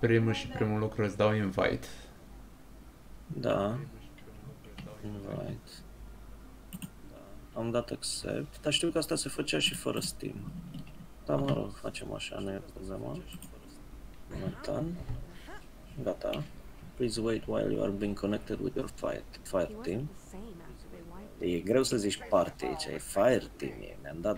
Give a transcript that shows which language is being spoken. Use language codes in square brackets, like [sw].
[ro] Primul și primul lucru îți dau invite. Da. Primul și primul lucru îți dau invite. Invite. Am dat accept, dar știu că asta se făcea și fără Steam. Dar mă rog, facem așa, nu e problema. Momentan. Gata. [en] Please wait while you are being connected with your fire team. [ro] E greu să zici party aici, e fire team, ne-am dat